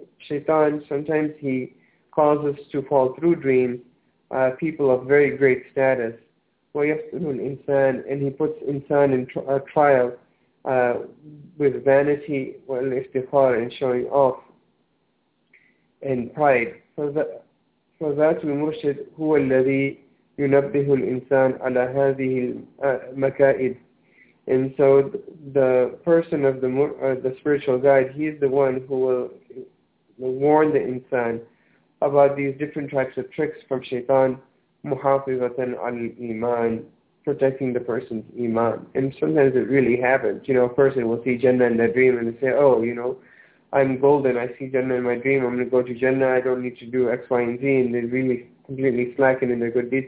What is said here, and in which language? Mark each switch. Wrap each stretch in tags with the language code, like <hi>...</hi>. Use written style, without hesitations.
<en>Shaitan, sometimes he causes to fall through dreams people of very great status.</en> <ar>وَيَحْسُنُ الْإِنسَانُ,</ar> <en>and he puts insan in trial, with vanity</en> <ar>wal iftikhar,</ar> <en>in showing off and pride. So that</en> <ar>المرشد هو الذي ينبه الإنسان على هذه المكائد.</ar> <en>And so the person of the spiritual guide, he is the one who will warn the insan about these different types of tricks from shaitan,</en> <ar>muhafizatan al-iman,</ar> <en>protecting the person's iman. And sometimes it really happens. You know, a person will see Jannah in their dream and they say, oh, you know, I'm golden, I see Jannah in my dream, I'm going to go to Jannah, I don't need to do X, Y, and Z, and they really completely slacken in their good deeds.</en>